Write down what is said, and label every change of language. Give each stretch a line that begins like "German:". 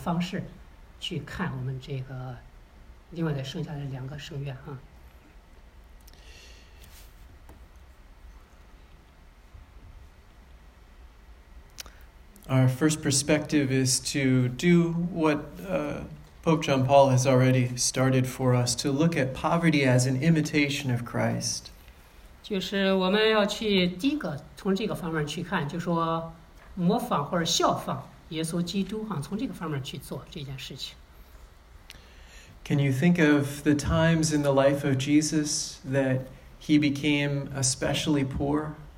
English: Our first perspective is to do what Pope John Paul has already started for us, to look at poverty as an imitation of Christ.
Chinese: 就是我们要去第一个从这个方面去看，就是说模仿或者效仿耶稣基督，从这个方面去做这件事情。
English: Can you think of the times in the life of Jesus that he became especially poor?